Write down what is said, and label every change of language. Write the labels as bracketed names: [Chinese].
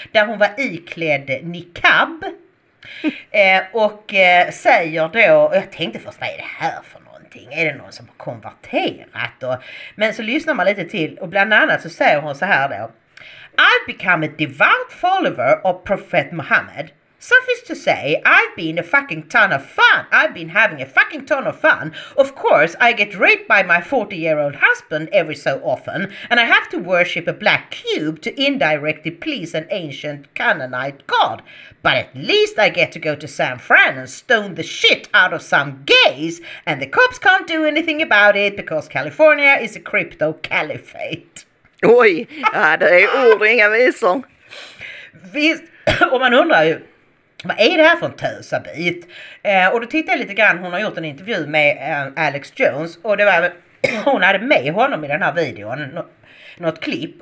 [Swedish] Där hon var iklädd niqab. och säger då, och jag tänkte först, vad är det här för någonting? Är det någon som har konverterat? Men så lyssnar man lite till, och bland annat så säger hon så här då: [English] I've become a devout follower of Prophet Muhammad. Suffice to say, I've been a fucking ton of fun. I've been having a fucking ton of fun. Of course, I get raped by my 40-year-old husband every so often, and I have to worship a black cube to indirectly please an ancient Canaanite god. But at least I get to go to San Fran and stone the shit out of some gays, and the cops can't do anything about it because California is a crypto caliphate. [Swedish] Oj, ja, det är ord, inga visor. Visst, och man undrar ju, vad är det här för en tösabit? Och då tittade jag lite grann, hon har gjort en intervju med Alex Jones. Och det var, hon hade med honom i den här videon, något klipp.